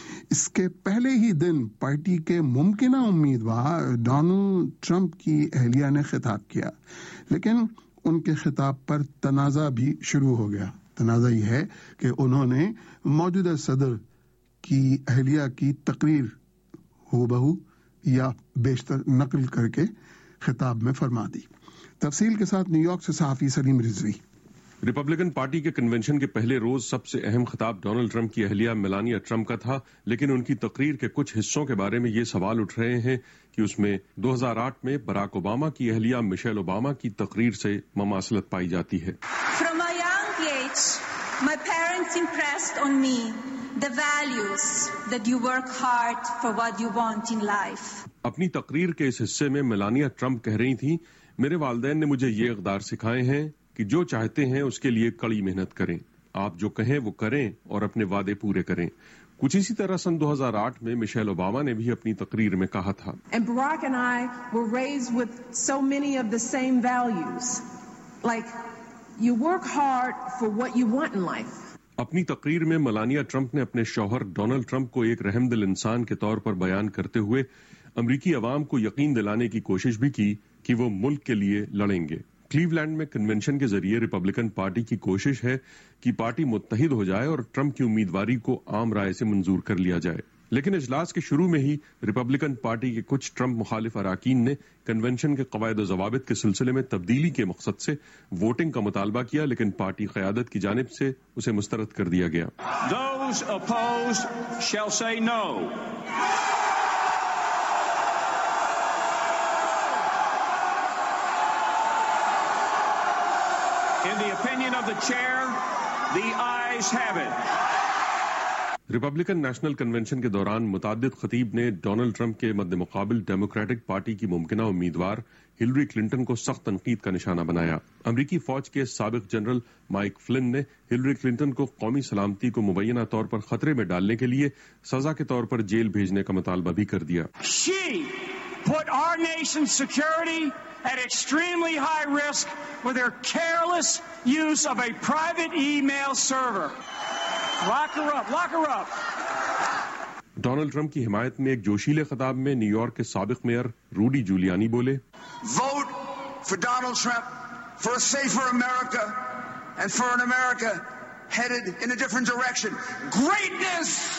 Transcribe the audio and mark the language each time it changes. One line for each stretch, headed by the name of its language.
Urdu: اس کے پہلے ہی دن پارٹی کے ممکنہ امیدوار ڈونلڈ ٹرمپ کی اہلیہ نے خطاب کیا، لیکن ان کے خطاب پر تنازع بھی شروع ہو گیا۔ تنازع یہ ہے کہ انہوں نے موجودہ صدر کی اہلیہ کی تقریر ہو بہو یا بیشتر نقل کر کے خطاب میں فرما دی۔ تفصیل کے ساتھ نیو یارک سے صحافی سلیم رضوی۔ ریپبلکن پارٹی کے کنونشن کے پہلے روز سب سے اہم خطاب ڈونلڈ ٹرمپ کی اہلیہ میلانیا ٹرمپ کا تھا، لیکن ان کی تقریر کے کچھ حصوں کے بارے میں یہ سوال اٹھ رہے ہیں کہ اس میں 2008 میں باراک اوباما کی اہلیہ مشیل اوباما کی تقریر سے مماثلت پائی جاتی ہے۔
English: From a young age, my parents impressed on me the values that you work hard for what you want in life۔
Urdu: اپنی تقریر کے اس حصے میں میلانیا ٹرمپ کہہ رہی تھی، میرے والدین نے مجھے یہ اقدار سکھائے ہیں کہ جو چاہتے ہیں اس کے لیے کڑی محنت کریں، آپ جو کہیں وہ کریں اور اپنے وعدے پورے کریں۔ کچھ اسی طرح سن 2008 میں مشیل اوباما نے بھی اپنی تقریر میں کہا تھا۔
English: And Barack and I were raised with so many of the same values, like you work hard for what you want in life۔
Urdu: اپنی تقریر میں میلانیا ٹرمپ نے اپنے شوہر ڈونلڈ ٹرمپ کو ایک رحم دل انسان کے طور پر بیان کرتے ہوئے امریکی عوام کو یقین دلانے کی کوشش بھی کی کہ وہ ملک کے لیے لڑیں گے۔ کلیولینڈ میں کنونشن کے ذریعے ریپبلکن پارٹی کی کوشش ہے کہ پارٹی متحد ہو جائے اور ٹرمپ کی امیدواری کو عام رائے سے منظور کر لیا جائے، لیکن اجلاس کے شروع میں ہی ریپبلکن پارٹی کے کچھ ٹرمپ مخالف اراکین نے کنونشن کے قواعد و ضوابط کے سلسلے میں تبدیلی کے مقصد سے ووٹنگ کا مطالبہ کیا، لیکن پارٹی قیادت کی جانب سے اسے مسترد کر دیا گیا۔
English: Those opposed shall say no. In the opinion of the chair, the ayes have it.
Urdu: Republican national convention کے دوران متعدد خطیب نے ڈونلڈ ٹرمپ کے مد مقابل ڈیموکریٹک پارٹی کی ممکنہ امیدوار ہلری کلنٹن کو سخت تنقید کا نشانہ بنایا. امریکی فوج کے سابق جنرل مائک فلن نے ہلری کلنٹن کو قومی سلامتی کو مبینہ طور پر خطرے میں ڈالنے کے لیے سزا کے طور پر جیل بھیجنے کا مطالبہ بھی کر دیا.
English: She put our nation's security at extremely high risk with her careless use of a private email server. Lock her up.
Urdu: Donald Trump کی حمایت میں ایک جوشیلے خطاب میں نیو یارک کے سابق میئر روڈی جولیانی بولے,
English: Vote for Donald Trump for a safer America and for an America headed in a different direction. Greatness!